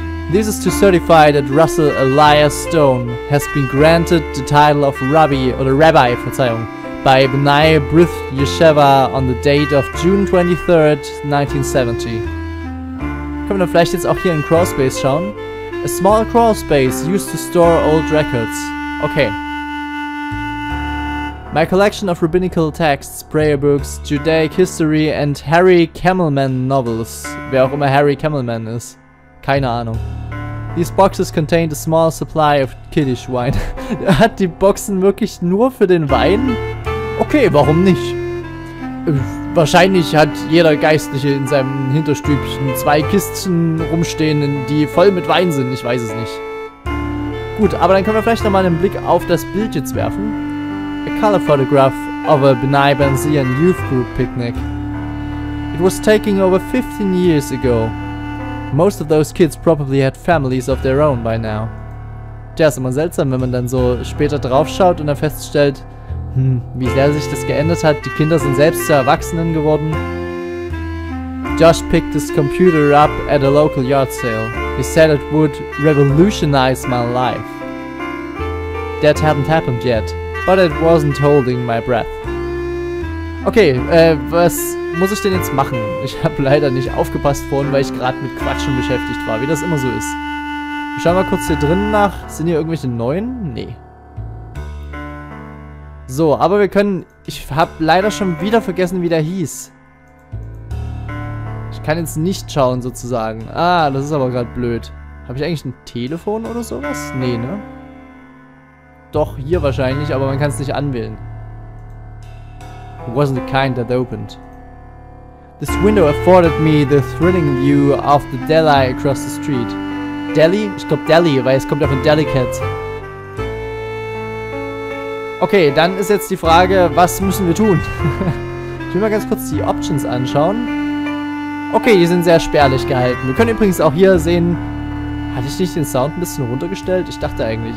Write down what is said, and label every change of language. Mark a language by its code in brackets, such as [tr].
[en] This is to certify that Russell Elias Stone has been granted the title of Rabbi, or the Rabbi, Verzeihung, by B'nai B'rith Yeshiva on the date of June 23rd, 1970. [de] Können wir vielleicht jetzt auch hier in Crawlspace schauen? [en] A small crawlspace used to store old records. Okay. My collection of rabbinical texts, prayer books, Judaic history and Harry Kemmelman novels. [de] Wer auch immer Harry Kemmelman ist. Keine Ahnung. [en] These boxes contained a small supply of Kiddush wine. [de] Hat die Boxen wirklich nur für den Wein? Okay, warum nicht? Wahrscheinlich hat jeder Geistliche in seinem Hinterstübchen zwei Kisten rumstehen, die voll mit Wein sind. Ich weiß es nicht. Gut, aber dann können wir vielleicht nochmal einen Blick auf das Bild jetzt werfen. [en] A color photograph of a B'nai Benzion youth group picnic. It was taken over 15 years ago. Most of those kids probably had families of their own by now. [de] Tja, ist immer seltsam, wenn man dann so später drauf schaut und dann feststellt, wie sehr sich das geändert hat. Die Kinder sind selbst zu Erwachsenen geworden. [en] Josh picked this computer up at a local yard sale. He said it would revolutionize my life. That hadn't happened yet, but it wasn't holding my breath. [de] Okay, was muss ich denn jetzt machen? Ich habe leider nicht aufgepasst vorhin, weil ich gerade mit Quatschen beschäftigt war, wie das immer so ist. Ich schau mal kurz hier drinnen nach. Sind hier irgendwelche neuen? Nee. So, aber wir können... Ich habe leider schon wieder vergessen, wie der hieß. Ich kann jetzt nicht schauen, sozusagen. Ah, das ist aber gerade blöd. Habe ich eigentlich ein Telefon oder sowas? Nee, ne? Doch, hier wahrscheinlich, aber man kann es nicht anwählen. [en] It wasn't the kind that opened. This window afforded me the thrilling view of the deli across the street. Deli? [de] Ich glaube Deli, weil es kommt ja von Delicate. Okay, dann ist jetzt die Frage, was müssen wir tun? Ich will mal ganz kurz die Options anschauen. Okay, die sind sehr spärlich gehalten. Wir können übrigens auch hier sehen, hatte ich nicht den Sound ein bisschen runtergestellt? Ich dachte eigentlich.